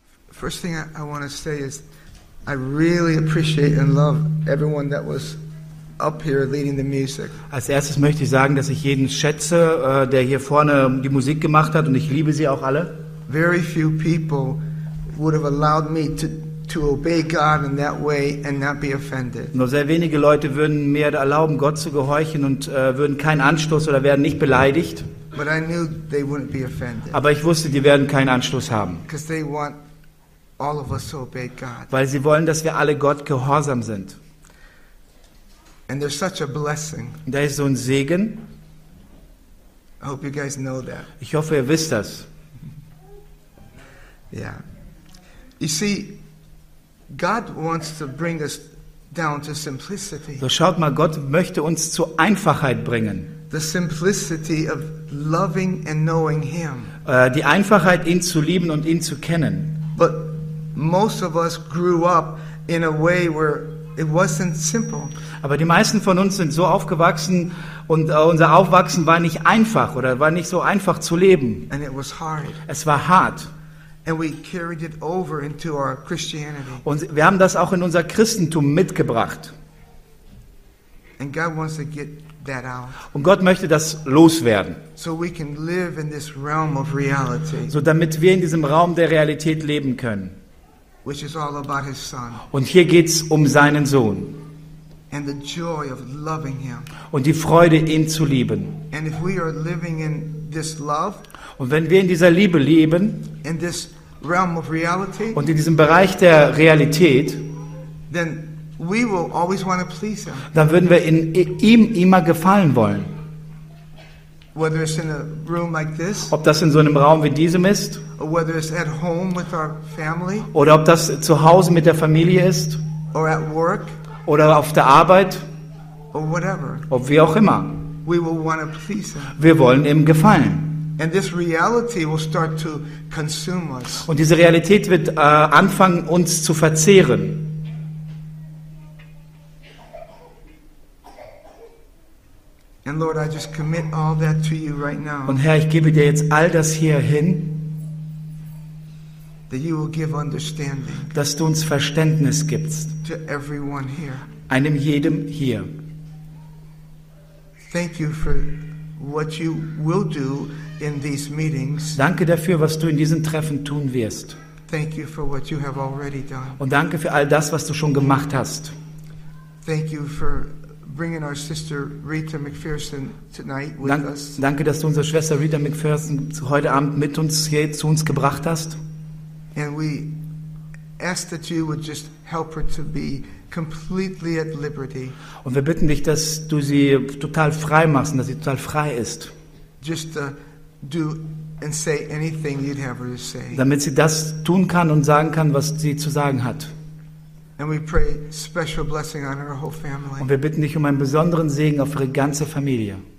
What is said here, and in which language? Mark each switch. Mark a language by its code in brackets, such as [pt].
[en] First thing I want to say is I really appreciate and love everyone that was up here leading the music. [de] Als erstes möchte ich sagen, dass ich jeden schätze, der hier vorne die Musik gemacht hat, und ich liebe sie auch alle. [en] Very few people would have allowed me to obey God in that way and not be offended. [de] Nur sehr wenige Leute würden mir erlauben, Gott zu gehorchen und würden keinen Anstoß oder werden nicht beleidigt. [en] But I knew they wouldn't be offended. [de] Aber ich wusste, die werden keinen Anstoß haben. [en] Because they want all of us to obey God. [de] Weil sie wollen, dass wir alle Gott gehorsam sind. [en] And there's such a blessing. [de] Da ist so ein Segen. [en] I hope you guys know that. [de] Ich hoffe, ihr wisst das. [en] Yeah. You see, God wants to bring us down to simplicity. [de] So schaut mal, Gott möchte uns zur Einfachheit bringen. [en] The simplicity of loving and knowing Him. [de] Die Einfachheit, ihn zu lieben und ihn zu kennen. [en] But most of us grew up in a way where it wasn't simple. [de] Aber die meisten von uns sind so aufgewachsen und unser Aufwachsen war nicht einfach oder war nicht so einfach zu leben. [en] And it was hard. [de] Es war hart. [en] And we carried it over into our Christianity. [de] Und wir haben das auch in unser Christentum mitgebracht. [en] And God wants to get that out. [de] Und Gott möchte das loswerden. [en] So we can live in this realm of reality. [de] So damit wir in diesem Raum der Realität leben können. [en] Which is all about his son. [de] Und hier geht's um seinen Sohn. [en] And the joy of loving him. [de] Und die Freude, ihn zu lieben. [en] And if we are living in this love, [de] und wenn wir in dieser Liebe leben, [en] in this realm of reality, [de] und in diesem Bereich der Realität, [en] then we will always want to please him. [de] Dann würden wir ihm immer gefallen wollen. [en] Whether it's in a room like this, [de] ob das in so einem Raum wie diesem ist, [en] or whether it's at home with our family, [de] oder ob das zu Hause mit der Familie ist, [en] or at work, [de] oder auf der Arbeit, [en] or whatever, [de] ob wie auch immer, [en] we will want to please him. [de] Wir wollen ihm gefallen. [en] And this reality will start to consume us. [de] Und diese Realität wird anfangen, uns zu verzehren. [en] And Lord, I just commit all that to you right now. [de] Und Herr, ich gebe dir jetzt all das hier hin. [en] That you will give understanding. [de] Dass du uns Verständnis gibst. [en] To everyone here. [de] Einem jedem hier. [en] Thank you for what you will do in these meetings. [de] Danke dafür, was du in diesen Treffen tun wirst. [en] Thank you for what you have already done. [de] Und danke für all das, was du schon gemacht hast. [en] Thank you for bringing our sister Rita McPherson tonight with us. [de] Danke, dass du unsere Schwester Rita McPherson heute Abend mit uns hier zu uns gebracht hast. [en] And we ask that you would just help her to be completely at liberty. [de] Und wir bitten dich, dass du sie total frei machst, dass sie total frei ist. [en] Just to do and say anything you'd have her to say. [de] Damit sie das tun kann und sagen kann, was sie zu sagen hat. [en] And we pray special blessing on her whole family. [de] Und wir bitten dich um einen besonderen Segen auf ihre ganze Familie.